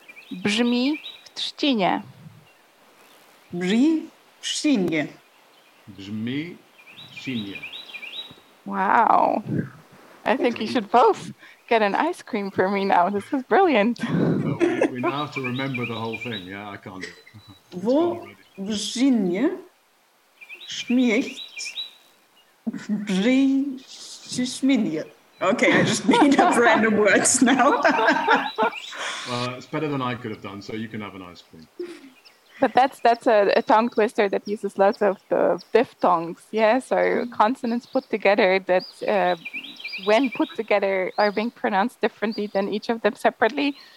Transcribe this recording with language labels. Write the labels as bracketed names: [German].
[Polish] Brzmi w trzcinie. Brzmi w trzcinie. Brzmi w trzcinie. [English] Wow. I think you should both get an ice cream for me now. This is brilliant. Well, we now have to remember the whole thing. Yeah, I can't do it. [Polish] Wo w trzcinie śmiecht brzmi trzcinie. [English] Okay, I just made up random words now. It's better than I could have done, so you can have an ice cream. But that's a tongue twister that uses lots of the diphthongs, yeah? So consonants put together that, when put together, are being pronounced differently than each of them separately.